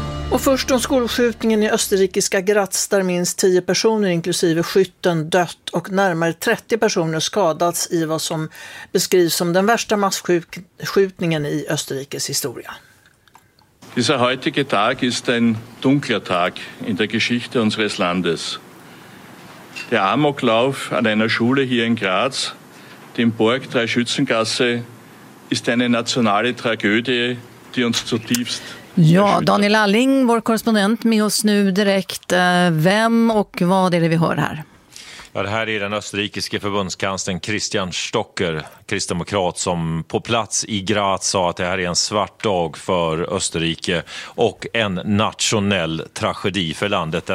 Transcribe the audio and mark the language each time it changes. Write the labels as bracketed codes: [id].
[sv] Och först om skolskjutningen i österrikiska Graz där minst 10 personer inklusive skytten dött och närmare 30 personer skadats i vad som beskrivs som den värsta massskjutningen i Österrikes historia. [de] Dieser heutige Tag ist ein dunkler Tag in der Geschichte unseres Landes. Der Amoklauf an einer Schule hier in Graz, dem Burg Dreischützengasse, ist eine nationale Tragödie, die uns zutiefst. [sv] Ja, Daniel Alling, vår korrespondent, med oss nu direkt. Vem och vad är det vi hör här? Ja, det här är den österrikiske förbundskanslern Christian Stocker, kristdemokrat, som på plats i Graz sa att det här är en svart dag för Österrike och en nationell tragedi för landet.